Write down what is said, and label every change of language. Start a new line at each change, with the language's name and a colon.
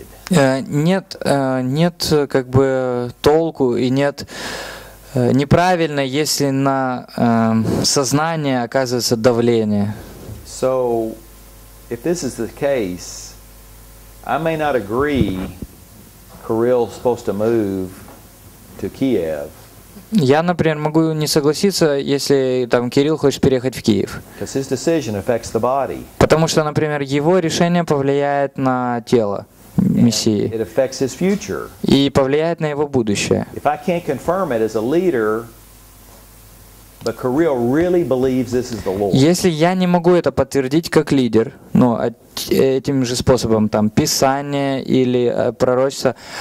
Russian: Нет как бы толку и нет неправильно, если на сознание оказывается давление.
English: So, if this is the case, I may not agree Kirill's supposed to move to Kiev.
Russian: Я, например, могу не согласиться, если там Кирилл хочет переехать в Киев.
English: Because his decision affects the body.
Russian: Потому что, например, его решение повлияет на тело Мессии.
English: It affects his future.
Russian: И повлияет на его будущее.
English: If I can't confirm it as a leader, but Kirill really believes this is the Lord.
Russian: Если я не могу это подтвердить как лидер, ну, этим же способом, там, Писание или пророчество,